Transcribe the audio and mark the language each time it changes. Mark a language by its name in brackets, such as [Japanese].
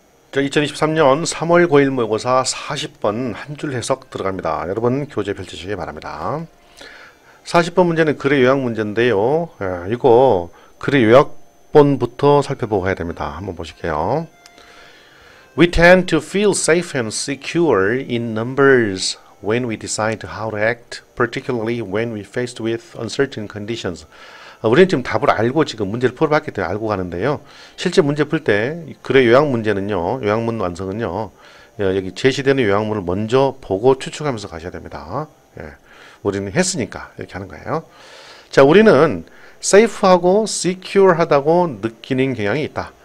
[Korean] 2023년 3월 9일 모의고사 40번 한줄 해석 들어갑니다. 여러분 교재 펼치시기 바랍니다. 40번 문제는 글의 요약 문제인데요. 이거 글의 요약본부터 살펴보고 가야 됩니다. 한번 보실게요. [English] We tend to feel safe and secure in numbers when we decide how to act, particularly when we faced with uncertain conditions. [Korean] 우리는 지금 답을 알고 지금 문제를 풀어봤기 때문에 알고 가는데요. 실제 문제 풀때 글의 요약 문제는요, 요약문 완성은요, 여기 제시되는 요약문을 먼저 보고 추측하면서 가셔야 됩니다. 예, 우리는 했으니까 이렇게 하는 거예요. 자, 우리는 safe하고 secure하다고 느끼는 경향이 있다.